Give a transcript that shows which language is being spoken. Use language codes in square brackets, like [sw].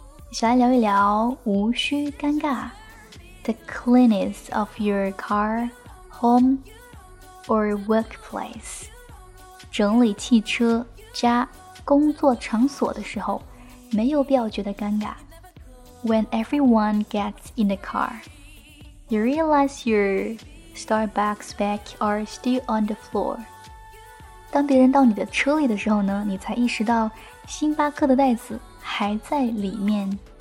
[zh] 一起来聊一聊无需尴尬。 [en] The cleanliness of your car, home, or workplace. [zh] 整理汽车加工作场所的时候没有必要觉得尴尬。 [en] When everyone gets in the car, you realize you're... Starbucks bag are still on the floor. [zh] 当别人到你的车里的时候呢，你才意识到星巴克的袋子还在里面。